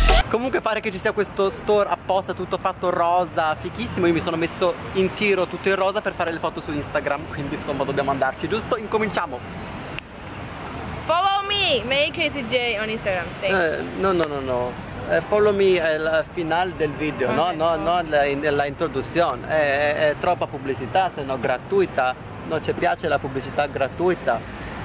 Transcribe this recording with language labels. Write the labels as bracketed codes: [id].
[it] Comunque pare che ci sia questo store apposta, tutto fatto rosa, fichissimo. Io mi sono messo in tiro tutto in rosa per fare le foto su Instagram. Quindi insomma dobbiamo andarci, giusto? Incominciamo. [en] Follow me, May KCJ on Instagram. [it] No, no, no, no. [en] Follow me [it] è la finale del video, no? No, no, la introduzione. È troppa pubblicità, se no gratuita. Non ci piace la pubblicità gratuita.